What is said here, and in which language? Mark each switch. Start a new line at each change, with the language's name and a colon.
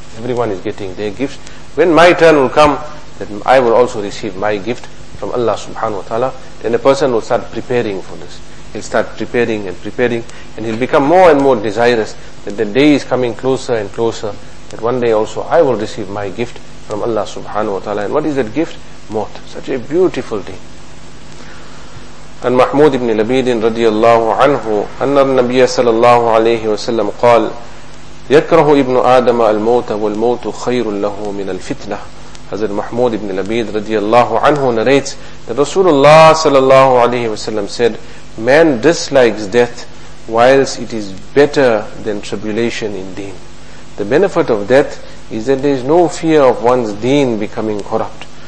English: Everyone is getting their gifts. When my turn will come, then I will also receive my gift from Allah subhanahu wa ta'ala. Then a person will start preparing for this. He'll start preparing and preparing, and he'll become more and more desirous that the day is coming closer and closer, that one day also I will receive my gift from Allah subhanahu wa ta'ala. And what is that gift? Maut. Such a beautiful day.
Arabic: عن محمود بن لبيد رضي الله عنه أن النبي صلى الله عليه وسلم قال يكره ابن آدم الموت والموت خير له من الفتنة.
English: حضرت محمود بن لبيد رضي الله عنه narrates that Rasulullah صلى الله عليه وسلم said, man dislikes death whilst it is better than tribulation in deen. The benefit of death is that there is no fear of one's deen becoming corrupt.